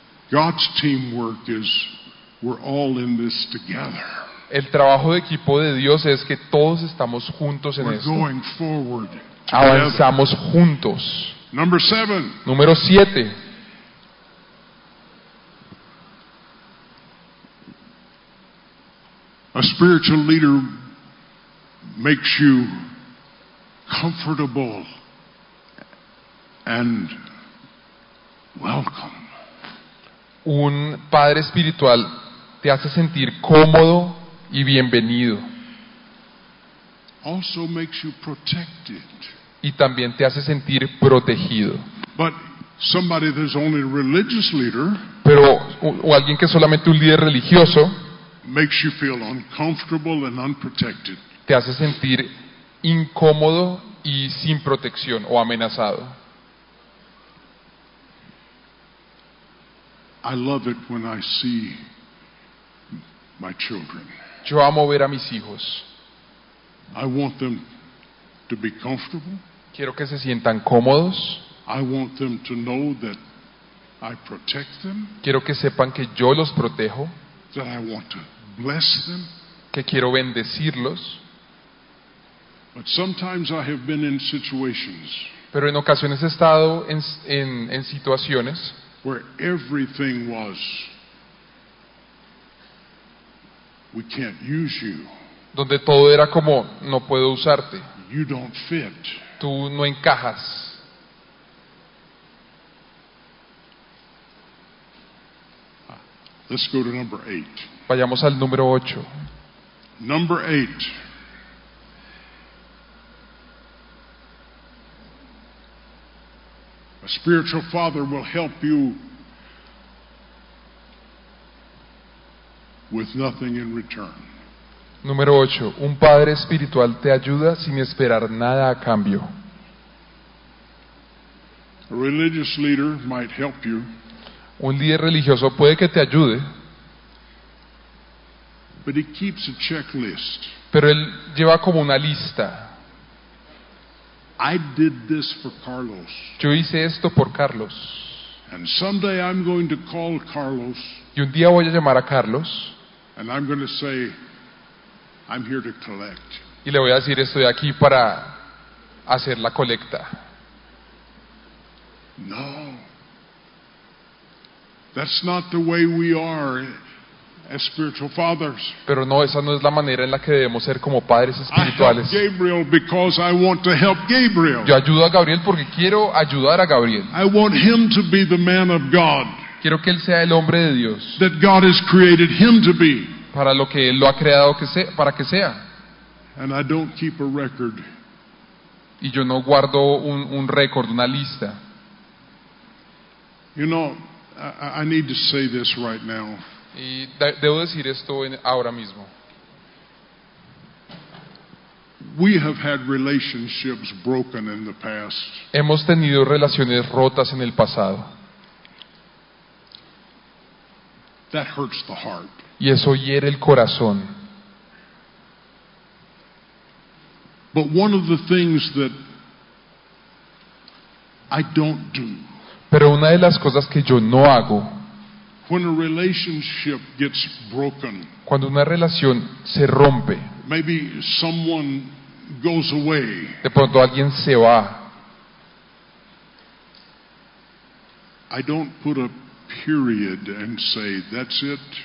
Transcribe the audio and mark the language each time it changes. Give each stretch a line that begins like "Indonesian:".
English: God's teamwork is we're all in this together.
Spanish: El trabajo de equipo de Dios es que todos estamos juntos en
English: we're
Spanish: esto.
English: Going forward.
Spanish: Avanzamos juntos.
English: Number 7.
Spanish: Número 7.
English: A spiritual leader makes you comfortable and welcome.
Spanish: Un padre espiritual te hace sentir cómodo y bienvenido.
English: Also makes you protected.
Spanish: Y también te hace sentir protegido.
English: But somebody that's only a religious leader,
Spanish: pero o alguien que es solamente un líder religioso,
English: makes you feel uncomfortable and unprotected.
Spanish: Te hace sentir incómodo y sin protección o amenazado.
English: I love it when I see my children.
Spanish: Yo amo ver a mis hijos.
English: I want them to be comfortable.
Spanish: Quiero que se sientan cómodos.
English: I want them to know that I protect them.
Spanish: Quiero que sepan que yo los protejo.
English: That I want to bless them.
Spanish: Que quiero bendecirlos.
English: But sometimes I have been in situations.
Spanish: Pero en ocasiones he estado en situaciones
English: where everything was we can't use you.
Spanish: Donde todo era como no puedo usarte.
English: You don't fit.
Spanish: Tú no encajas.
English: Let's go to number 8.
Spanish: Vayamos al número 8.
English: Number 8. A spiritual father will help you with nothing in return.
Spanish: Número 8. Un padre espiritual te ayuda sin esperar nada a cambio.
English: A religious leader might help you.
Spanish: Un líder religioso puede que te ayude.
English: But he keeps a checklist.
Spanish: Pero él lleva como una lista.
English: I did this for Carlos.
Spanish: Yo hice esto por Carlos.
English: And someday I'm going to call Carlos.
Spanish: Y un día voy a llamar a Carlos.
English: And I'm going to say, I'm here to collect.
Spanish: Y le voy a decir, estoy aquí para hacer la colecta.
English: No. That's not the way we are as spiritual fathers.
Spanish: Pero no, esa no es la manera en la que debemos ser como padres espirituales.
English: I help Gabriel because I want to help Gabriel.
Spanish: Yo ayudo a Gabriel porque quiero ayudar a Gabriel.
English: I want him to be the man of God.
Spanish: Quiero que él sea el hombre de Dios.
English: That God has created him to be.
Spanish: Para lo que él lo ha creado que sea, para que sea.
English: And I don't keep a record.
Spanish: Y yo no guardo un récord, una lista.
English: You know, I need to say this right now.
Spanish: Y debo decir esto ahora mismo.
English: We have had relationships broken in the past.
Spanish: Hemos tenido relaciones rotas en el pasado.
English: That hurts the heart.
Spanish: Y eso hiere el corazón.
English: But one of the things that I don't do.
Spanish: Pero una de las cosas que yo no hago
English: When a relationship gets broken.
Spanish: Cuando una relación se rompe.
English: Maybe someone goes away.
Spanish: De pronto alguien se va.
English: I don't put a period and say that's it.